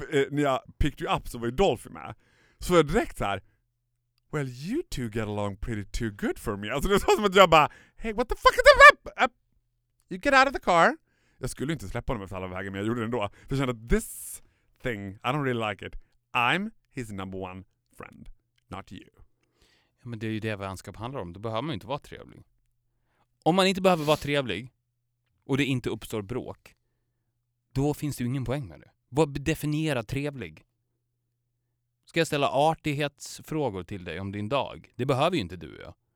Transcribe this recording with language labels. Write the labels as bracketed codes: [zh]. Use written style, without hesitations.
[sv] När jag [en] picked you up [sv] så var ju Dolphy med. Så jag direkt så här, [en] well, you two get along pretty too good for me. [sv] Alltså det var som att jag bara, [en] hey, what the fuck is that? You get out of the car. [sv] Jag skulle inte släppa honom efter alla vägen, men jag gjorde det ändå. För jag kände att [en] this thing, I don't really like it. I'm his number one friend, not you. [sv] Ja, men det är ju det vänskap handlar om. Då behöver man ju inte vara trevlig. Om man inte behöver vara trevlig och det inte uppstår bråk, då finns det ju ingen poäng med det. Vad definierar trevlig? Ska jag ställa artighetsfrågor till dig om din dag? Det behöver ju inte du, ja.